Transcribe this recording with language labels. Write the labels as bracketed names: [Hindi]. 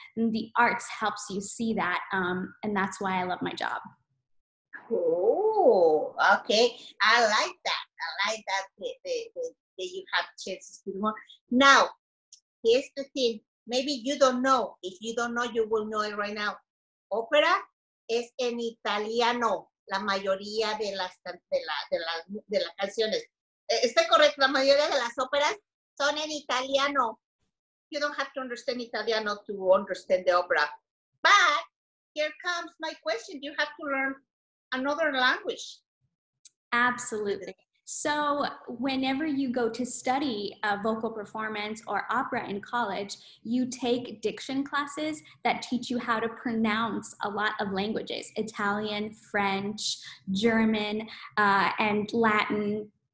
[English] And the arts helps you see that, and that's why I love my job. Oh, okay. I like that that you have chances to do more. Now, here's the thing. Maybe you don't know. If you don't know, you will know it right now. [Spanish] Opera es en italiano, la mayoría de las canciones. ¿Está correcto? La mayoría de las óperas son en italiano. [English] You don't have to understand italiano to understand the opera. But here comes my question. You have to learn another language. Absolutely. So whenever you go to study a vocal performance or opera in college, you take diction classes that teach you how to pronounce a lot of languages, Italian, French, German, and Latin.